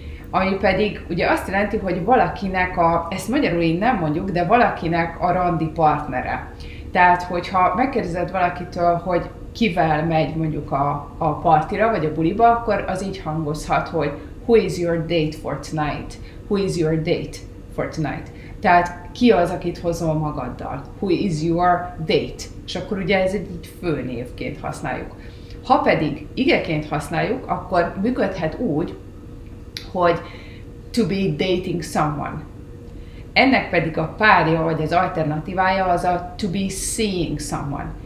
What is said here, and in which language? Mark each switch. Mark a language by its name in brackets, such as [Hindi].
[Hungarian] Ami pedig ugye azt jelenti, hogy valakinek a, ezt magyarul én nem mondjuk, de valakinek a randi partnere. Tehát, hogyha megkérdezed valakitől, hogy kivel megy mondjuk a partira vagy a buliba, akkor az így hangozhat, hogy [English] who is your date for tonight? Who is your date for tonight? [Hungarian] Tehát ki az, akit hozol magaddal? [English] Who is your date? [Hungarian] És akkor ugye ez egy főnévként használjuk. Ha pedig igeként használjuk, akkor működhet úgy, hogy [English] to be dating someone. [Hungarian] Ennek pedig a párja, vagy az alternatívája az a [English] to be seeing someone.